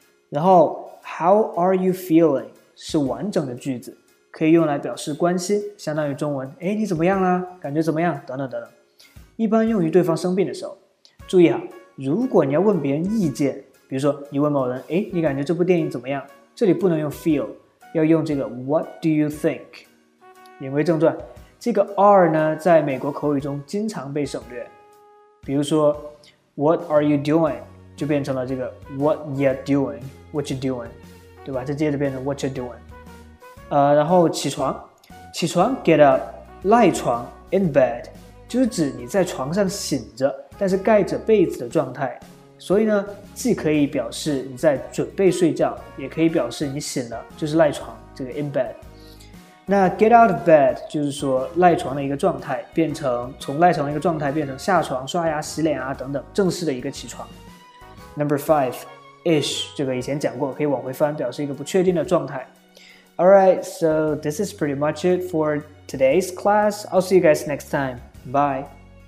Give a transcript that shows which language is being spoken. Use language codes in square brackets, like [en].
[zh] 然后 [en] how are you feeling [zh] 是完整的句子，可以用来表示关心，相当于中文，哎，你怎么样啦？感觉怎么样？等等等等。一般用于对方生病的时候。注意哈。如果你要问别人意见，比如说你问某人，哎，你感觉这部电影怎么样？这里不能用 feel， 要用这个 [en] what do you think。 [zh] 言归正传，这个 are 呢，在美国口语中经常被省略。比如说 [en] what are you doing [zh] 就变成了这个 [en] what you doing， [zh] what you doing， 对吧？这接着变成 [en] what you doing。 [zh] 然后起床 get up， 赖床 in bed， 就是指你在床上醒着。但是盖着被子的状态，所以呢，既可以表示你在准备睡觉，也可以表示你醒了，就是赖床，这个 in bed。那 [en] get out of bed [zh] 就是说赖床的一个状态，变成从赖床的一个状态变成下床刷牙洗脸啊等等，正式的一个起床。 [en] Number five, [zh] ish 这个以前讲过，可以往回翻，表示一个不确定的状态。 [en] All right, so this is pretty much it for today's class. I'll see you guys next time. Bye.